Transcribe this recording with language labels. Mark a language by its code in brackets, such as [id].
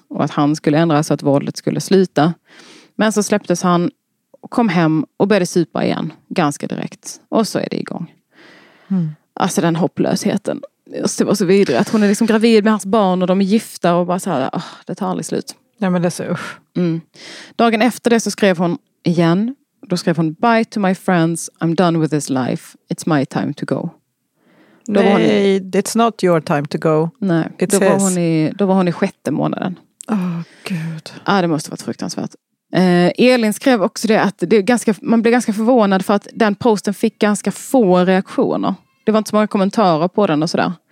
[sv] Och att han skulle ändras och att våldet skulle sluta. Men så släpptes han, kom hem och började supa igen. Ganska direkt. Och så är det igång. Mm. Alltså den hopplösheten. Det var så vidrig. Att hon är liksom gravid med hans barn och de är gifta. Och bara så här, det tar aldrig slut. Ja, men det är så. Dagen efter det så skrev hon igen. Då skrev hon: [en] "Bye to my friends, I'm done with this life. It's my time to go." [sv] Nej, hon... [en] it's not your time to go. [sv] Nej, då var, hon i, då var hon i sjätte månaden. Åh, gud. Ja, det måste ha varit fruktansvärt. Elin skrev också det att det är ganska, man blev ganska förvånad för att den posten fick ganska få reaktioner. Det var inte så många kommentarer på den och sådär.